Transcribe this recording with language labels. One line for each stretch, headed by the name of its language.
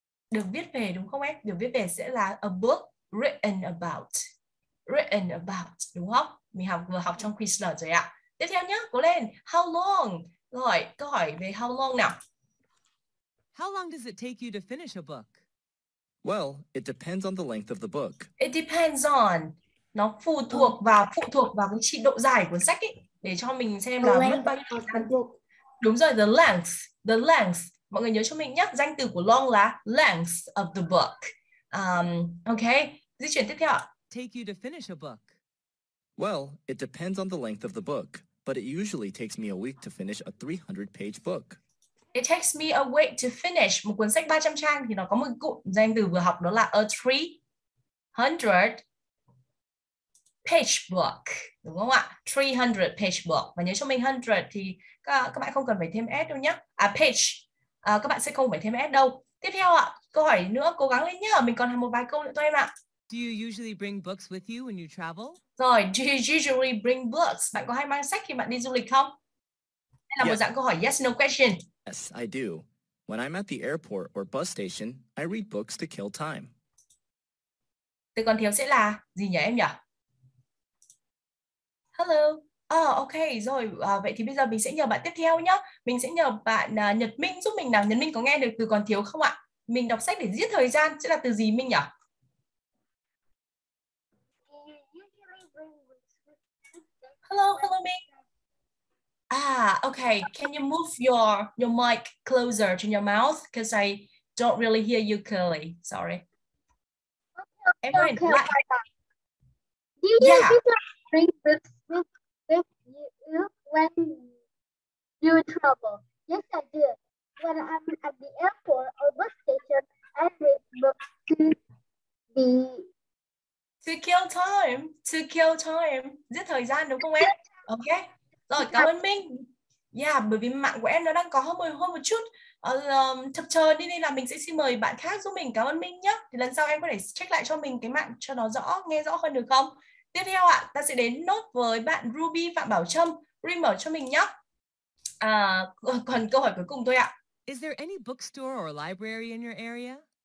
Vietnamese: Được viết về đúng không em? Được viết về sẽ là
English: a book written about. Written about,
Vietnamese: đúng không? Mình học vừa học trong Quizlet rồi ạ. Tiếp theo nhá, cố lên.
English: How long?
Vietnamese: Rồi, câu hỏi về
English: how long
Vietnamese: nào.
English: How long does it take you to finish a book? Well, it depends on the length of the book. It depends on.
Vietnamese: Nó phụ thuộc vào cái chỉ độ dài của sách ấy. Để cho mình xem là mất bao nhiêu thời gian. Đúng rồi,
English: the length.
Vietnamese: Mọi người nhớ cho mình nhé, danh từ của long là
English: length of the book.
Vietnamese: Okay, di chuyển tiếp theo.
English: Take you to finish a book. Well, it depends on the length of the book, but it usually takes me a week to finish a 300-page book. It takes me a week to finish
Vietnamese: một cuốn sách 300 trang thì nó có một cụm danh từ vừa học đó là
English: a 300 page book,
Vietnamese: đúng không ạ?
English: 300 page book.
Vietnamese: Và nhớ cho mình 100 thì các bạn không cần phải thêm s đâu nhé. À page, các bạn sẽ không phải thêm s đâu. Tiếp theo ạ, câu hỏi nữa, cố gắng lên nhé. Mình còn một vài câu nữa thôi em ạ.
English: Do you usually bring books with you when you travel? Rồi, do you usually bring books?
Vietnamese: Bạn có hay mang sách khi bạn đi du lịch không? Đây là một dạng câu hỏi
English: yes no question. Yes, I do. When I'm at the airport or bus station, I read books to kill time.
Vietnamese: Từ còn thiếu sẽ là gì nhỉ em nhỉ? Hello. Oh, ok, rồi. Vậy thì bây giờ mình sẽ nhờ bạn tiếp theo nhé. Mình sẽ nhờ bạn Nhật Minh giúp mình nào. Nhật Minh có nghe được từ còn thiếu không ạ? Mình đọc sách để giết thời gian sẽ là từ gì Minh nhỉ?
English: Hello, hello Minh. Ah, okay. Can you move your mic closer to your mouth? Because I don't really hear you clearly. Sorry. Okay, okay, okay. Do you usually bring books with you when you travel? Yes, I do. When I'm at the airport or bus station, I read books to kill time.
Vietnamese: Giết thời gian đúng không em? Okay. Rồi, cảm ơn Minh. Yeah, bởi vì mạng của em nó đang có hơi một chút chập chờn đi nên là mình sẽ xin mời bạn khác giúp mình. Cảm ơn Minh nhé. Thì lần sau em có thể check lại cho mình cái mạng cho nó rõ, nghe rõ hơn được không? Tiếp theo ạ, ta sẽ đến nốt với bạn Ruby Phạm Bảo Trâm. Ruby mở cho mình nhé. Còn câu hỏi cuối cùng thôi ạ.
English: Is there any bookstore or library in your area?